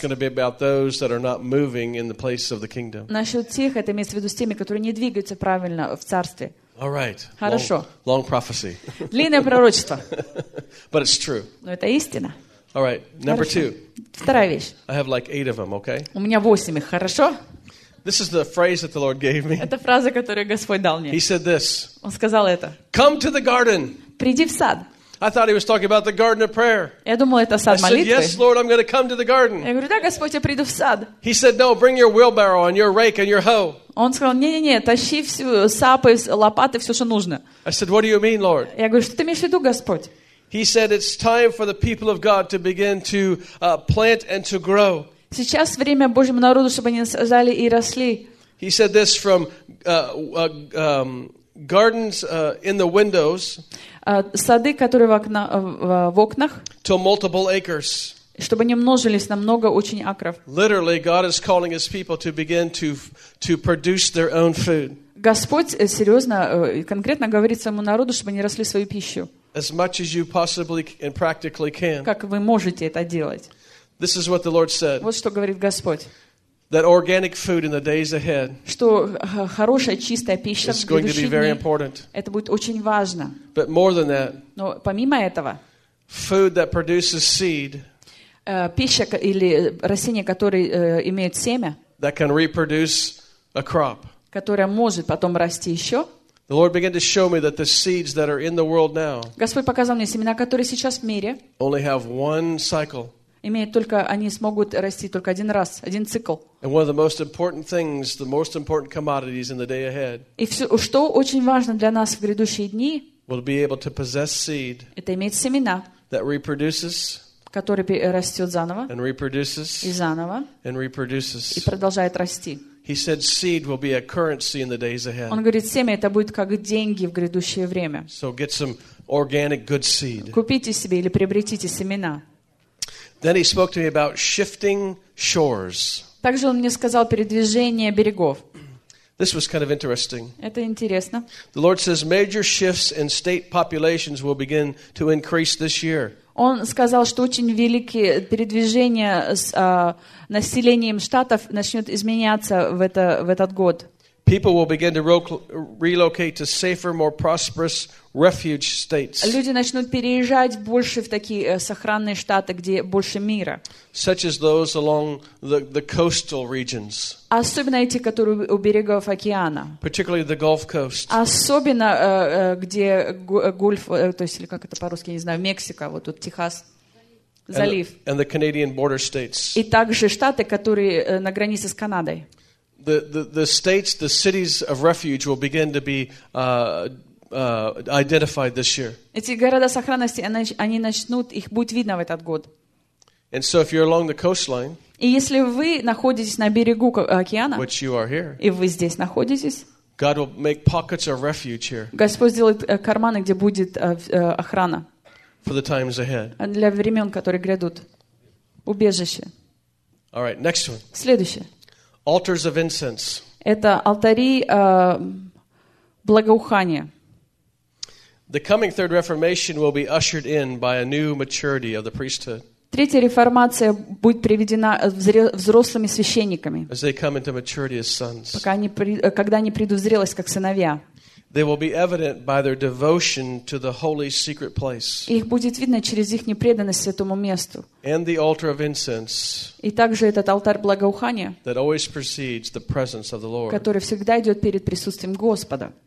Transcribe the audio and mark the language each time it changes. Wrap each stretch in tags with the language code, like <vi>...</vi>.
<en>It's going to be about those that are not moving in the place of the kingdom.</en> <ru>Насчет тех, это имеется в виду с теми, которые не двигаются правильно в царстве.</ru> <en>All right.</en> <ru>Хорошо.</ru> <en>Long prophecy.</en> <ru>Длинное пророчество.</ru> <en>But it's true.</en> <ru>Но это истина.</ru> <en>All right, number two.</en> <ru>Вторая вещь.</ru> <en>I have like 8 of them, okay?</en> <ru>У меня 8 их, хорошо?</ru> <en>This is the phrase that the Lord gave me.</en> <ru>Это фраза, которую Господь дал мне.</ru> <en>He said this.</en> <ru>Он сказал это.</ru> <en>Come to the garden.</en> <ru>Приди в сад.</ru> <en>I thought he was talking about the garden of prayer.</en> <ru>Я думал, это сад молитвы.</ru> <en>I said, yes, Lord, I'm going to come to the garden.</en> <ru>Я говорю, да, Господь, я приду в сад.</ru> <en>He said, no, bring your wheelbarrow and your rake and your hoe.</en> <ru>Он сказал, не-не-не, тащи всю сапы, лопаты, все, что нужно.</ru> <en>I said, what do you mean, Lord?</en> <ru>Я говорю, что ты имеешь в виду, Господь?</ru> <en>He said it's time for the people of God to begin to plant and to grow.</en> <ru>Сейчас время Божьему народу, чтобы они сажали и росли.</ru> <en>He said this from gardens in the windows.</en> <ru>Сады, которые в окнах.</ru> <en>To multiple acres.</en> <ru>Чтобы они множились на много очень акров.</ru> <en>Literally, God is calling his people to begin to produce their own food.</en> <ru>Господь серьезно конкретно говорит своему народу, чтобы они росли свою пищу.</ru> <en>As much as you possibly and practically can.</en> <ru>Как вы можете это делать?</ru> <en>This is what the Lord said.</en> <ru>Вот что говорит Господь.</ru> <en>That organic food in the days ahead.</en> <ru>Что хорошая чистая пища.</ru> <en>It's going to be very important.</en> <ru>Это будет очень важно.</ru> <en>But more than that.</en> <ru>Но помимо этого.</ru> <en>Food that produces seed.</en> <ru>Пища или растения, которые имеют семя.</ru> <en>That can reproduce a crop.</en> <ru>Которая может потом расти еще.</ru> <en>The Lord began to show me that the seeds that are in the world now.</en> <ru>Господь показал мне семена, которые сейчас в мире.</ru> <en>Only have one cycle.</en> <ru>Имеют только они смогут расти только один раз, один цикл.</ru> <en>And one of the most important things, the most important commodities in the day ahead.</en> <ru>И все, что очень важно для нас в грядущие дни.</ru> <en>Will be able to possess seed.</en> <ru>Это иметь семена.</ru> <en>That reproduces.</en> <ru>Который растет заново.</ru> <en>And reproduces.</en> <ru>И заново.</ru> <en>And reproduces.</en> <ru>И продолжает расти.</ru> <en>He said seed will be a currency in the days ahead.</en> <ru>Он говорит, семя это будет как деньги в грядущее время.</ru> <en>So get some organic good seed.</en> <ru>Купите себе или приобретите семена.</ru> <en>Then he spoke to me about shifting shores.</en> <ru>Также он мне сказал передвижение берегов.</ru> <en>This was kind of interesting.</en> <ru>Это интересно.</ru> <en>The Lord says major shifts in state populations will begin to increase this year.</en> <ru>Он сказал, что очень великие передвижения с населением штатов начнет изменяться в этот год.</ru> <en>People will begin to relocate to safer, more prosperous refuge states.</en> <ru>Люди начнут переезжать больше в такие сохранные штаты, где больше мира.</ru> <en>Such as those along the coastal regions.</en> <ru>Особенно эти, которые у берегов океана.</ru> <en>Particularly the Gulf Coast.</en> <ru>Особенно где гольф, то есть или как это по-русски, не знаю, Мексика, вот тут Техас. Залив.</ru> <en>And the Canadian border states.</en> <ru>И также штаты, которые на границе с Канадой.</ru> <en>The states, the cities of refuge will begin to be identified this year.</en> <ru>Эти города сохранности, они начнут, их будет видно в этот год.</ru> <en>And so if you're along the coastline,</en> <ru>и если вы находитесь на берегу океана,</ru> <en>which you are here,</en> <ru>и вы здесь находитесь,</ru> <en>God will make pockets of refuge here.</en> <ru>Господь сделает карманы, где будет охрана.</ru> <en>For the times ahead.</en> <ru>Для времен, которые грядут. Убежище.</ru> <en>All right, next one.</en> <ru>Следующее.</ru> <en>Altars of incense.</en> <ru>Это алтари благоухания.</ru> <en>The coming Third Reformation will be ushered in by a new maturity of the priesthood.</en> <ru>Третья реформация будет приведена взрослыми священниками.</ru> <en>As they come into maturity as sons.</en> <ru>Когда они придут в зрелость как сыновья.</ru> <en>They will be evident by their devotion to the holy secret place.</en> <ru>Их будет видно через их преданность святому месту.</ru> <en>And the altar of incense.</en> <ru>И также этот алтарь благоухания.</ru> <en>That always precedes the presence of the Lord.</en> <ru>Который всегда идет перед присутствием Господа.</ru>